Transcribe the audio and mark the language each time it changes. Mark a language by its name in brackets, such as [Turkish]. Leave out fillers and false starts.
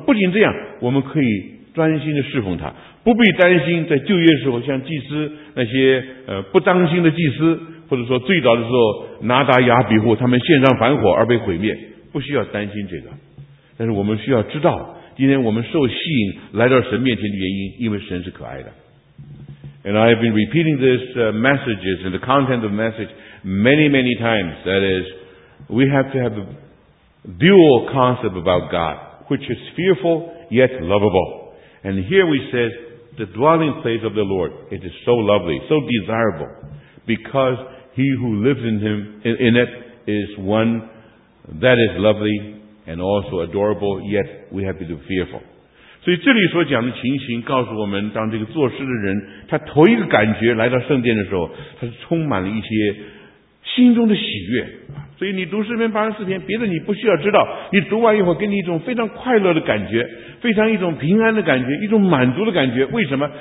[Chinese] 不仅这样，我们可以专心的侍奉他，不必担心在旧约的时候像祭司那些不当心的祭司，或者说最早的时候拿达亚比户他们献上燔火而被毁灭，不需要担心这个。但是我们需要知道今天我们受吸引来到神面前的原因，因为神是可爱的。 [English] And I have been repeating this messages and the content of the message many many times, that is we have to have a dual concept about God, which is fearful yet lovable. And here we said the dwelling place of the Lord, it is so lovely, so desirable, because he who lives in it is one that is lovely and also adorable, yet we have to be fearful. [Chinese] 所以这里所讲的情形告诉我们，当这个作诗的人他头一个感觉来到圣殿的时候，他是充满了一些心中的喜悦。所以你读诗篇84篇，别的你不需要知道，你读完以后给你一种非常快乐的感觉，非常一种平安的感觉，一种满足的感觉。为什么？